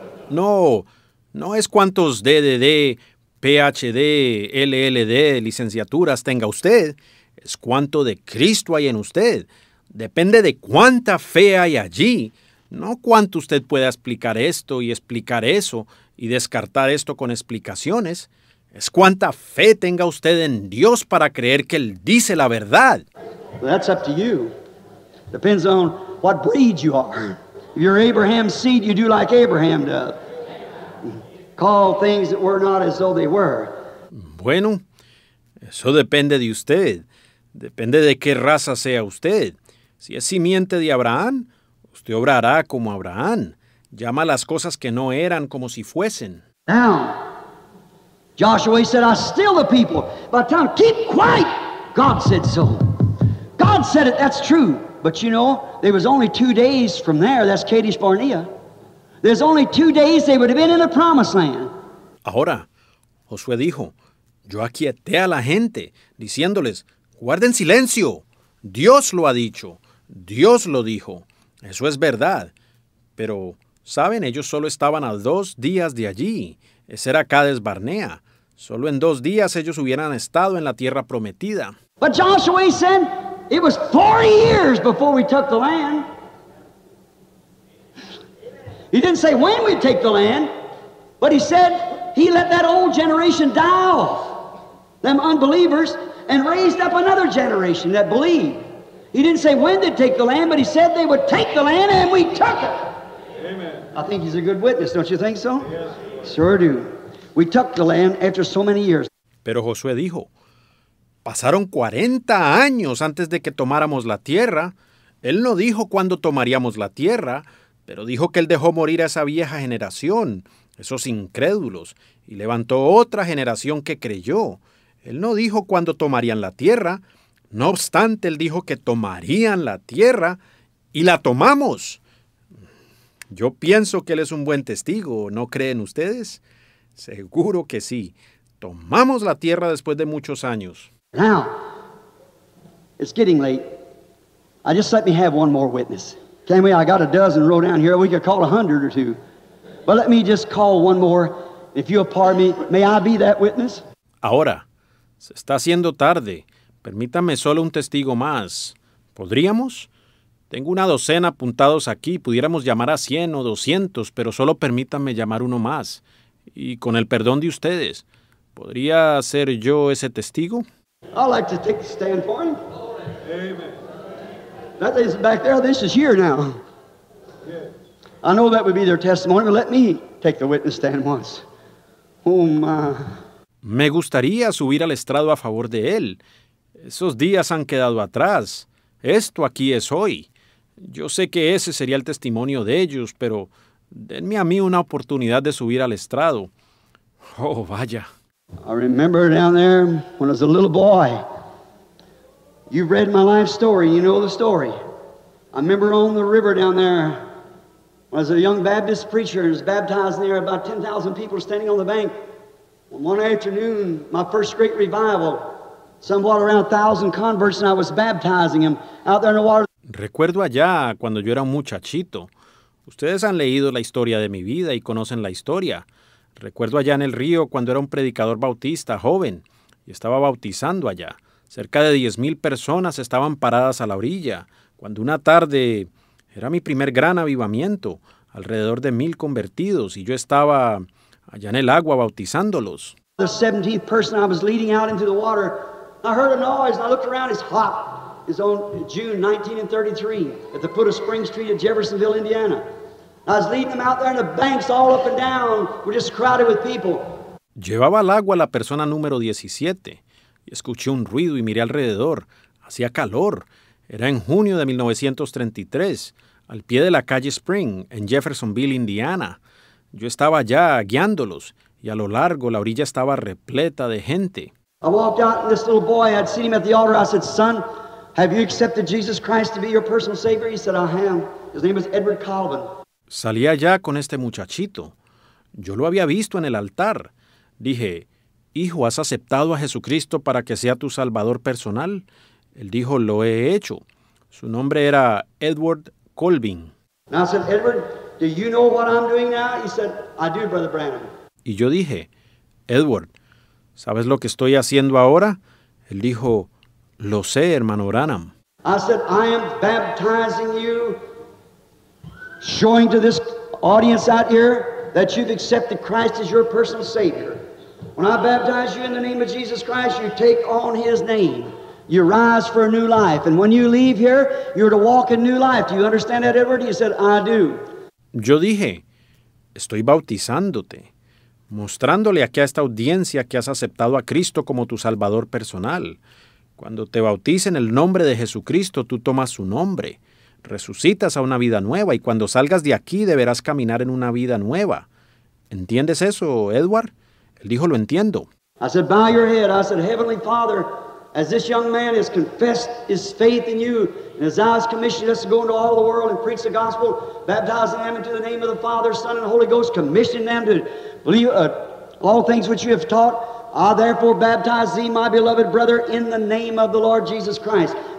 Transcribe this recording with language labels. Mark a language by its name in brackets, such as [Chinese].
[Spanish] No es cuántos DDD, PhD, LLD, licenciaturas tenga usted, es cuánto de Cristo hay en usted. Depende de cuánta fe hay allí, no cuánto usted pueda explicar esto y explicar eso y descartar esto con explicaciones. Es cuánta fe tenga usted en Dios para creer que Él dice la verdad. [English] Well, that's up to you. Depends on what breed you are. If you're Abraham's seed, you do like Abraham does. Call things that were not as though they were. [Spanish] Bueno, eso depende de usted. Depende de qué raza sea usted. Si es simiente de Abraham, usted obrará como Abraham. Llama las cosas que no eran como si fuesen. [English] Now, Joshua said, I steal the people. But tell them, keep quiet. God said so. God said it, that's true. But you know, there was only 2 days from there. That's Kadesh Barnea. There's only 2 days they would have been in the promised land. [Spanish] Ahora, Josué dijo, yo aquieté a la gente, diciéndoles, guarden silencio. Dios lo ha dicho. Dios lo dijo. Eso es verdad. Pero, ¿saben? Ellos solo estaban a 2 días de allí. Ese era Kadesh Barnea. Solo en 2 días ellos hubieran estado en la tierra prometida. [English] But Joshua said, it was 40 years before we took the land. He didn't say when we'd take the land, but he said, He let that old generation die off, them unbelievers, and raised up another generation that believed. He didn't say when they'd take the land, but he said they would take the land, and we took it. Amen. I think he's a good witness, don't you think so? Yes. Sure do. We took the land after so many years. [Spanish] Pero Josué dijo, pasaron 40 años antes de que tomáramos la tierra. Él no dijo cuándo tomaríamos la tierra, pero dijo que él dejó morir a esa vieja generación, esos incrédulos, y levantó otra generación que creyó. Él no dijo cuándo tomarían la tierra. No obstante, él dijo que tomarían la tierra y la tomamos. Yo pienso que él es un buen testigo, ¿no creen ustedes? Seguro que sí. Tomamos la tierra después de muchos años. [English] Now, it's getting late. I just let me have one more witness. Can we? I got a dozen row down here. We could call 100 or two. But let me just call one more. If you'll pardon me, may I be that witness? [Spanish] Ahora, se está haciendo tarde. Permítame solo un testigo más. ¿Podríamos? Tengo una docena apuntados aquí. Pudiéramos llamar a 100 o 200, pero solo permítame llamar uno más. Y con el perdón de ustedes, ¿podría ser yo ese testigo? [English] I'd like to take the stand for him. Amen. That is back there. This is here now. Yes. I know that would be their testimony, but let me take the witness stand once. Oh, my. [Spanish] Me gustaría subir al estrado a favor de él. Esos días han quedado atrás. Esto aquí es hoy. Yo sé que ese sería el testimonio de ellos, pero denme a mí una oportunidad de subir al estrado. Oh, vaya. [English] I remember down there when I was a little boy. You've read my life story. You know the story. I remember on the river down there when I was a young Baptist preacher and was baptized there. About 10,000 people standing on the bank. One afternoon, my first great revival, somewhat around 1,000 converts, and I was baptizing them out there in the water. [Spanish] Recuerdo allá cuando yo era un muchachito. Ustedes han leído la historia de mi vida y conocen la historia. Recuerdo allá en el río cuando era un predicador bautista joven y estaba bautizando allá. Cerca de 10,000 personas estaban paradas a la orilla. Cuando una tarde, era mi primer gran avivamiento, alrededor de 1,000 convertidos y yo estaba allá en el agua bautizándolos. [English] The 17th person I was leading out into the water, I heard a noise and I looked around, it's hot. It's on June 1933 at the foot of Spring Street at Jeffersonville, Indiana. I was leading them out there and the banks all up and down were just crowded with people. [Spanish] Llevaba al agua la persona número 17 y escuché un ruido y miré alrededor. Hacía calor. Era en junio de 1933, al pie de la calle Spring en Jeffersonville, Indiana. Yo estaba allá guiándolos y a lo largo la orilla estaba repleta de gente. [English] I walked out and this little boy, I'd seen him at the altar. I said, son, have you accepted Jesus Christ to be your personal savior? He said, I have. His name is Edward Colvin. [Spanish] Salí allá con este muchachito. Yo lo había visto en el altar. Dije, hijo, ¿has aceptado a Jesucristo para que sea tu salvador personal? Él dijo, lo he hecho. Su nombre era Edward Colvin. [English] And I said, Edward, do you know what I'm doing now? He said, I do, Brother Branham. [Spanish] Y yo dije, Edward, ¿sabes lo que estoy haciendo ahora? Él dijo, lo sé, hermano Branham. [English] I said, I am baptizing you. Showing to this audience out here that you've accepted Christ as your personal Savior. When I baptize you in the name of Jesus Christ, you take on His name. You rise for a new life. And when you leave here, you're to walk in new life. Do you understand that, Edward? He said, I do. [Spanish] Yo dije, estoy bautizándote, mostrándole aquí a esta audiencia que has aceptado a Cristo como tu Salvador personal. Cuando te bautices en el nombre de Jesucristo, tú tomas su nombre. Resucitas a una vida nueva y cuando salgas de aquí deberás caminar en una vida nueva. ¿Entiendes eso, Edward? Él dijo, lo entiendo. [English] I said, bow your head. I said, Heavenly Father, as this young man has confessed his faith in you, and as thou hast commissioned us to go into all the world and preach the gospel, baptizing them into the name of the Father, Son, and Holy Ghost, commissioning them to believe all things which you have taught, I therefore baptize thee, my beloved brother, in the name of the Lord Jesus Christ.